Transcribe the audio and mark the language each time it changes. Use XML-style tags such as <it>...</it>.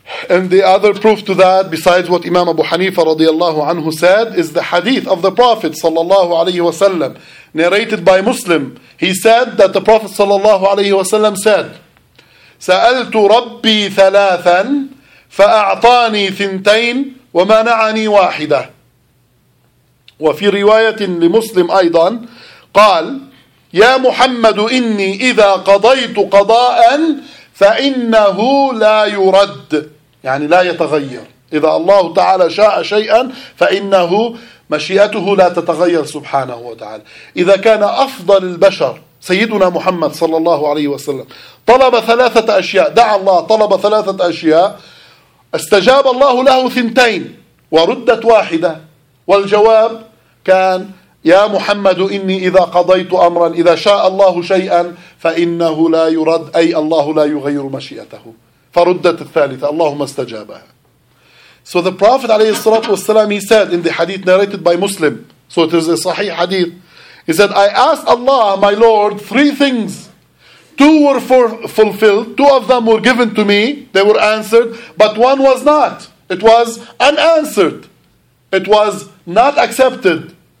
<en>And the other proof to that, besides what Imam Abu Hanifa radiallahu anhu said, is the hadith of the Prophet sallallahu alayhi wa sallam, narrated by Muslim. He said that the Prophet sallallahu alayhi wa sallam said,</en> <ar>سَأَلْتُ رَبِّي ثَلَاثًا فَأَعْطَانِي ثِنْتَيْنِ وَمَنَعَنِي وَاحِدَةٍ. وفي رواية لمسلم أيضا قال, يا محمد إني إذا قضيت قضاء فإنه لا يرد, يعني لا يتغير. إذا الله تعالى شاء شيئا فإنه مشيئته لا تتغير سبحانه وتعالى. إذا كان أفضل البشر سيدنا محمد صلى الله عليه وسلم طلب ثلاثة أشياء, دعا الله طلب ثلاثة أشياء, استجاب الله له ثنتين وردت واحدة, والجواب كان يا محمد إني إذا قضيت أمرا, إذا شاء الله شيئا فإنه لا يرد, أي الله لا يغير مشيئته, فردت الثالثة اللهم استجابها.</ar> <en>So the Prophet</en> <ar>عليه الصلاة والسلام,</ar> <en>he said in the hadith narrated by Muslim, so it is a صحيح hadith, he said, I asked Allah, my Lord, three things. Two were fulfilled, two of them were given to me, they were answered, but one was not. It was unanswered. It was not accepted.</en>